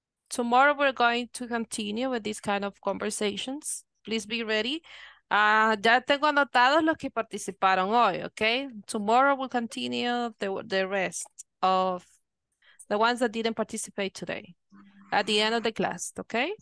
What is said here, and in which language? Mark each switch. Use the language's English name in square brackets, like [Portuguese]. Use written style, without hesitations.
[English] Tomorrow we're going to continue with these kind of conversations. Please be ready. [Spanish] Ya tengo anotados los que participaron hoy, okay? [English] Tomorrow we'll continue the rest of the ones that didn't participate today at the end of the class, okay?